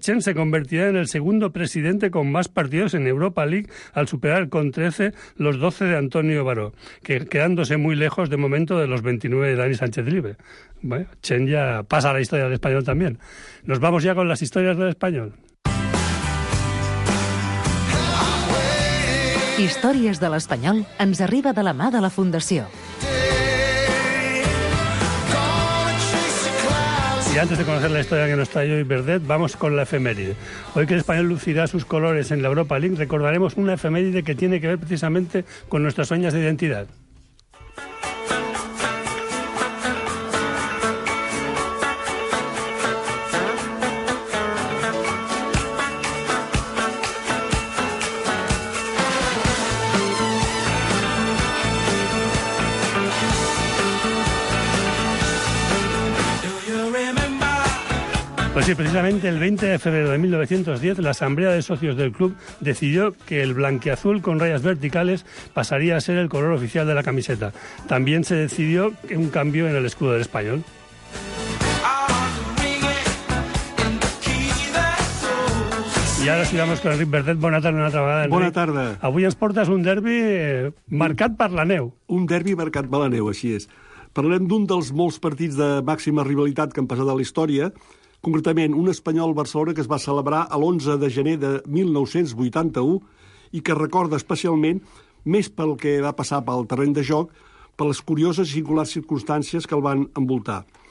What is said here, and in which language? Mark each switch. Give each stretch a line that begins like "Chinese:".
Spanish: Chen se convertirá en el segundo presidente con más partidos en Europa League al superar con 13 los 12 de Antonio Baró, que quedándose muy lejos de momento de los 29 de Dani Sánchez Live. Bueno, Chen ya pasa a la historia del español también. Nos vamos ya con las historias del español.
Catalan: Històries de l'Espanyol ens arriba de la mà de la Fundació.
Spanish: Y antes de conocer la historia que nos trae hoy Verdet, vamos con la efeméride. Hoy que el español lucirá sus colores en la Europa League, recordaremos una efeméride que tiene que ver precisamente con nuestras señas de identidad. Sí, precisamente el 20 de febrero de 1910 la Asamblea de Socios del club decidió que el blanquiazul con rayas verticales pasaría a ser el color oficial de la camiseta. También se decidió un cambio en el escudo del Español.
Catalan: I ara sí,
Spanish: vamos con
Catalan: Enric Verdet. Bona tarda, una altra vegada, Enric. Bona tarda. Avui ens portes un derbi marcat per la neu. Un derbi marcat per la neu, així és. Parlem d'un dels molts partits de màxima rivalitat que han passat a la història. Concretament, un Espanyol-Barcelona que es va celebrar a l'11 de gener de 1981 i que recorda especialment, més pel que va passar pel terreny de joc, per les curioses i singulars circumstàncies que el van envoltar.